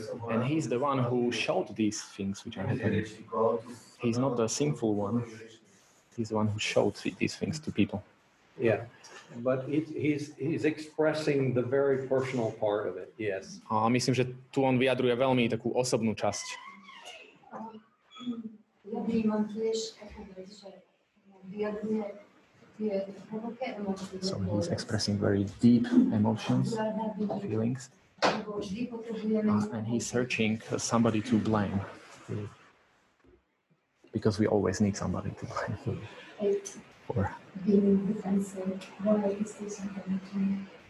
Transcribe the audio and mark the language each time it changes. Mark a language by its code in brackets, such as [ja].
[en] And he's the one who showed these things which are happening. He's not the sinful one. He's the one who showed these things to people. Yeah. But he's expressing the very personal part of it. Yes. [sk] A myslím, že tu on vyjadruje veľmi takú osobnú časť. Ja vnímam tiež takú vec, že vyjadruje tie hlboké emócie. [en] So he's expressing very deep emotions, feelings. And he's searching somebody to blame. Because we always need somebody to blame. For being defensive. Why is this happening to me?